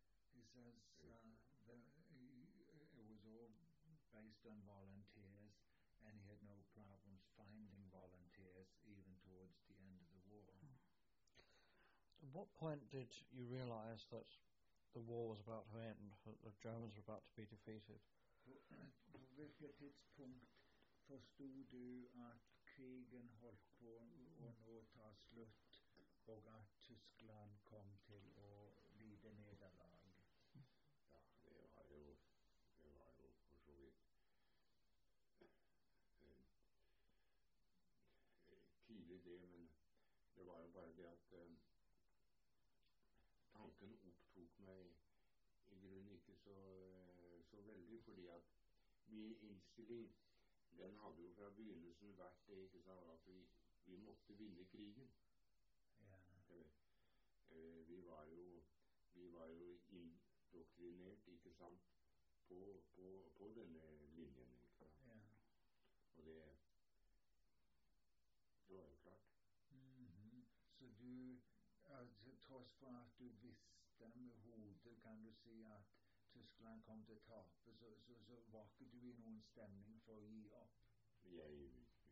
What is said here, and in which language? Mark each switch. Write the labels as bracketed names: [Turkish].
[English] He says it was all based on volunteers, and he had no problems finding volunteers even towards the end of the war. At what point did you realize that the war was about to end, that the Germans were about to be defeated? [Swedish] På vilket tidspunkt förstod du att krigen höll på att ta slut och att Tyskland kom till att lida nederlag? Ja, det var ju på så vis. Tidig det, men det var ju bara det att tanken upptog mig i grunden inte så väldigt, för det att min inställning, den hade ju från begynnelsen varit det, [Norwegian] ikke sant, [Swedish] att vi måste vinna krigen. Yeah. Vi var ju indoktrinerat, [Norwegian] ikke sant, [Swedish] på den linjen, ikke sant. Yeah. Och det var ju klart. Mm-hmm. [Norwegian] Så du, alltså, trots för att du visste med hodet, kan du säga att Tyskland kom til tape, så var ikke du i noen stemning for å gi opp?